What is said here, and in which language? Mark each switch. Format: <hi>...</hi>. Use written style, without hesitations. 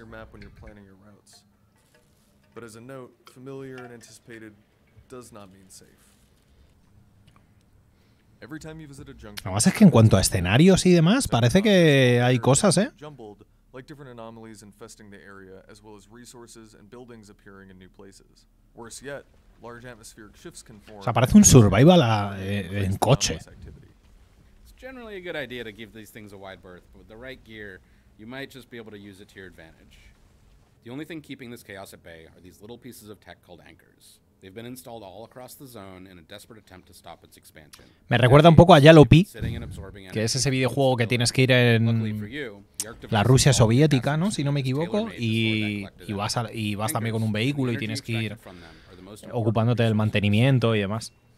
<es>Además es que en cuanto a escenarios y demás, parece que hay cosas, ¿eh?</es> <en>Like different anomalies infesting the area, as well as resources and buildings appearing in new places. Worse yet, large atmospheric shifts can form.</en> <es>O sea, parece un survival en coche.</es> <en>It's generally a good idea to give these things a wide berth, but with the right gear, you might just be able to use it to your advantage. The only thing keeping this chaos at bay are these little pieces of tech called anchors. They've been installed all across the zone in a desperate attempt to stop its expansion.</en> <es>Me recuerda un poco a Yalopi, que es ese videojuego que tienes que ir en la Rusia soviética, ¿no? Si no me equivoco, y vas también con un vehículo y tienes que ir ocupándote del mantenimiento y demás.</es>